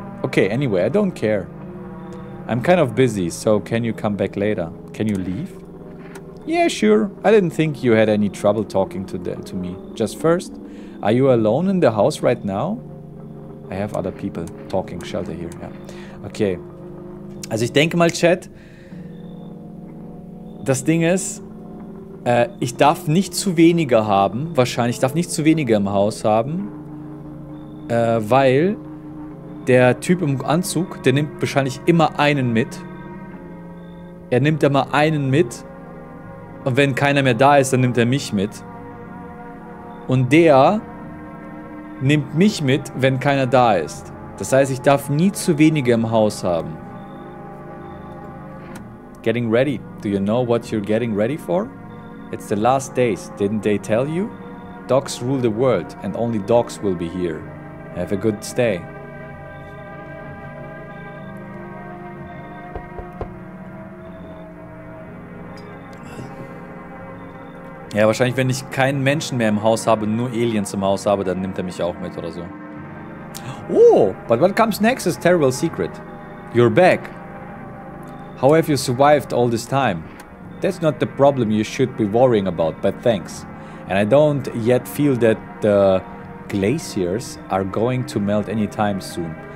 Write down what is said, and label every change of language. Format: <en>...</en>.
<en>Okay, anyway, I don't care. I'm kind of busy, so can you come back later? Can you leave? Yeah, sure. I didn't think you had any trouble talking to me. Just first, are you alone in the house right now? I have other people talking shelter here. Yeah. Okay.</en> <de>Also ich denke mal, Chat, das Ding ist, ich darf nicht zu wenige haben, wahrscheinlich, ich darf nicht zu wenige im Haus haben, weil der Typ im Anzug, der nimmt wahrscheinlich immer einen mit. Er nimmt immer einen mit und wenn keiner mehr da ist, dann nimmt er mich mit. Und der nimmt mich mit, wenn keiner da ist. Das heißt, ich darf nie zu wenige im Haus haben.</de> <en>Getting ready. Do you know what you're getting ready for? It's the last days. Didn't they tell you? Dogs rule the world and only dogs will be here. Have a good stay.</en> <de>Ja, wahrscheinlich, wenn ich keinen Menschen mehr im Haus habe, nur Aliens im Haus habe, dann nimmt er mich auch mit oder so.</de> <en>Oh, but what comes next is a terrible secret. You're back. How have you survived all this time? That's not the problem you should be worrying about, but thanks. And I don't yet feel that the glaciers are going to melt anytime soon.</en>